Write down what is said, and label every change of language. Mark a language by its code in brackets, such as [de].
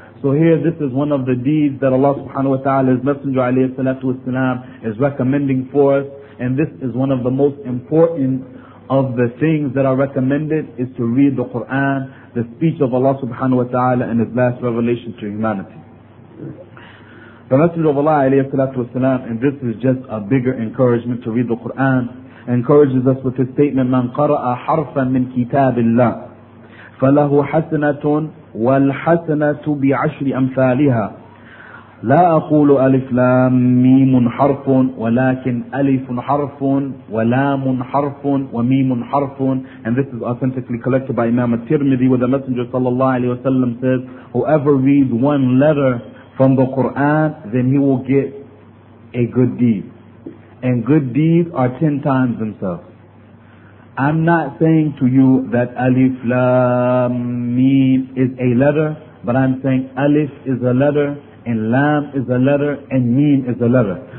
[en] So here, this is one of the deeds that Allah subhanahu wa ta'ala's Messenger alayhi salatu wasalam is recommending for us, and this is one of the most important of the things that are recommended, is to read the Quran, the speech of Allah subhanahu wa ta'ala and His last revelation to humanity. The Messenger of Allah alayhi salatu wasalam, and this is just a bigger encouragement to read the Quran, encourages us with his statement, [ar] مَنْ قَرَأَ حَرْفًا مِنْ كِتَابِ اللَّهِ فَلَهُ حَسَنَةٌ وَالْحَسَنَةُ بِعَشْرِ أَمْثَالِهَا لَا أَقُولُ أَلِفْ لَامْ مِيمٌ حَرْفٌ وَلَكِنْ أَلِفٌ حَرْفٌ وَلَامٌ حَرْفٌ وَمِيمٌ حَرْفٌ. [en] And this is authentically collected by Imam al-Tirmidhi, where the Messenger sallallahu alayhi wa sallam says, whoever reads one letter from the Quran, then he will get a good deed. And good deeds are 10 times themselves. I'm not saying to you that Alif Lam Mim is a letter, but I'm saying Alif is a letter, and Lam is a letter, and Mim is a letter.